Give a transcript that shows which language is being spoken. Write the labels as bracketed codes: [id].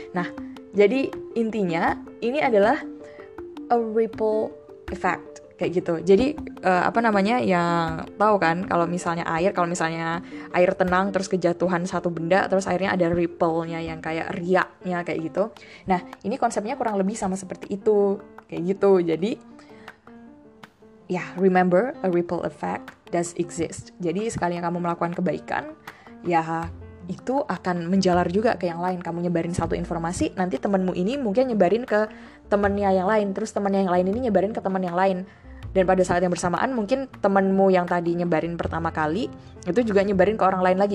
[id] Nah, jadi intinya ini adalah [en] a ripple effect, [id] kayak gitu. Jadi, yang tahu kan, kalau misalnya air tenang, terus kejatuhan satu benda, terus akhirnya ada ripple-nya yang kayak riaknya, kayak gitu. Nah, ini konsepnya kurang lebih sama seperti itu, kayak gitu. Jadi, ya, [en] remember, a ripple effect does exist. [id] Jadi sekali yang kamu melakukan kebaikan, ya itu akan menjalar juga ke yang lain. Kamu nyebarin satu informasi, nanti temanmu ini mungkin nyebarin ke temannya yang lain, terus temannya yang lain ini nyebarin ke teman yang lain. Dan pada saat yang bersamaan, mungkin temanmu yang tadi nyebarin pertama kali itu juga nyebarin ke orang lain lagi.